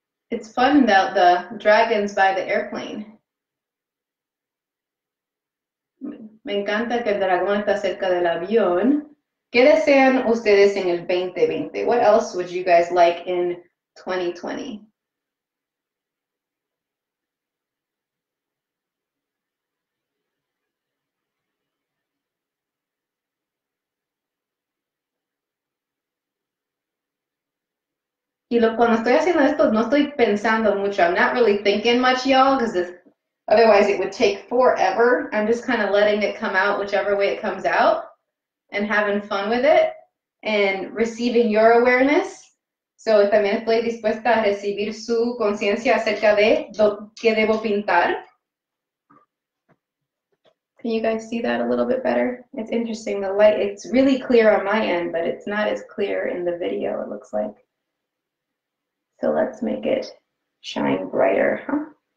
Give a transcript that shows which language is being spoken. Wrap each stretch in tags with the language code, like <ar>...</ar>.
<en>It's fun that the dragons by the airplane.</en> <es>Me encanta que el dragón está cerca del avión. ¿Qué desean ustedes en el 2020?</es> <en>What else would you guys like in 2020?</en> <es>Y lo, cuando estoy haciendo esto, no estoy pensando mucho.</es> <en>I'm not really thinking much, y'all, because otherwise it would take forever. I'm just kind of letting it come out whichever way it comes out and having fun with it and receiving your awareness.</en> <es>So también estoy dispuesta a recibir su conciencia acerca de lo que debo pintar.</es> <en>Can you guys see that a little bit better? It's interesting. The light, it's really clear on my end, but it's not as clear in the video, it looks like. So let's make it shine brighter, huh?</en>